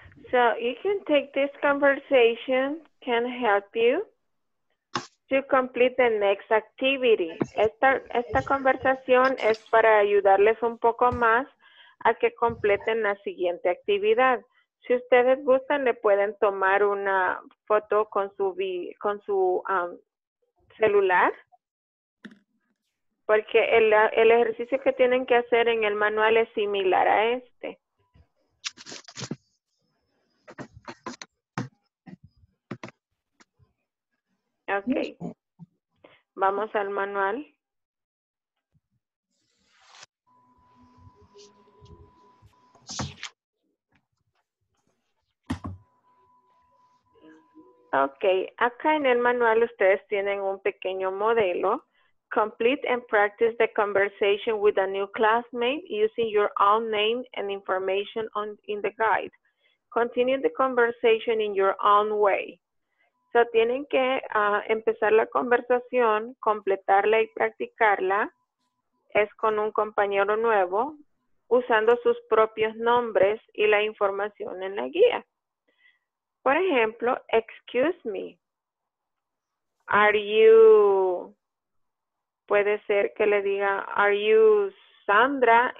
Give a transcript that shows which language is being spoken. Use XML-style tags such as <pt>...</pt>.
<en>So you can take this conversation, can help you. To complete the next activity.</en> <es>Esta conversación es para ayudarles un poco más a que completen la siguiente actividad. Si ustedes gustan, le pueden tomar una foto con su celular. Porque el ejercicio que tienen que hacer en el manual es similar a este. Ok. Vamos al manual. Ok, acá en el manual ustedes tienen un pequeño modelo.</es> <en>Complete and practice the conversation with a new classmate using your own name and information in the guide. Continue the conversation in your own way.</en> <es>So, tienen que empezar la conversación, completarla y practicarla, es con un compañero nuevo, usando sus propios nombres y la información en la guía. Por ejemplo,</es> <en>excuse me, are you,</en> <es>puede ser que le diga,</es> <en>are you Sandra?</en>